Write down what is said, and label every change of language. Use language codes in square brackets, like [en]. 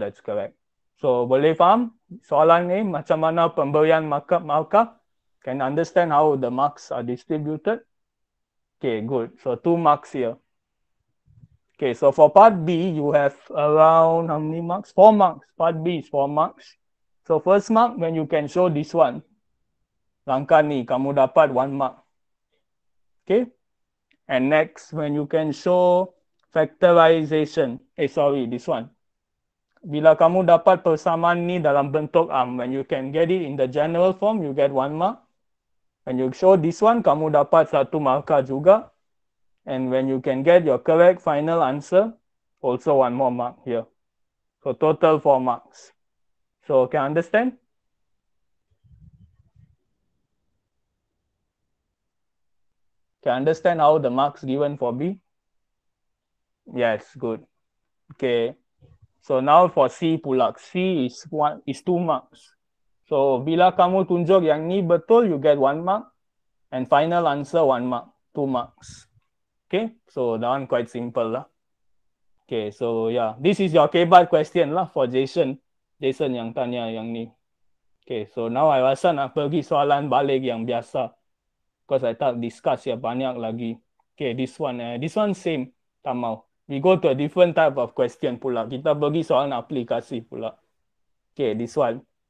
[ms] That's correct. So boleh faham soalan ni macam mana pemberian markah? [en] Can understand how the marks are distributed? Okay, good. So two marks here. Okay, so for part B, you have around how many marks? 4 marks. Part B is 4 marks. So first mark when you can show this one. [ms] Langkah ni, kamu dapat 1 mark. [en] Okay? And next, when you can show factorization. Sorry, this one. [ms] Bila kamu dapat persamaan ni dalam bentuk am, [en] when you can get it in the general form, you get 1 mark. [ms] When you show this one, kamu dapat 1 markah juga. [en] And when you can get your correct final answer, also one more mark here. So total 4 marks. So can you understand? Can you understand how the marks given for B? Yes, good. Okay. So now for C pula. C is 2 marks. [ms] So bila kamu tunjuk yang ni betul, [en] you get 1 mark. And final answer 1 mark, 2 marks. Okay, so that one quite simple lah. Okay, so yeah, this is your KEDAH question lah for Jason. [ms] Jason yang tanya yang ni. Okay, so now I rasa nak pergi soalan balik yang biasa. [en] Because I [ms] tak discuss ya banyak lagi. [en] Okay, this one same. Tak mau. We go to a different type of question pula. [ms] Kita pergi soalan aplikasi pula. [en] Okay, this one.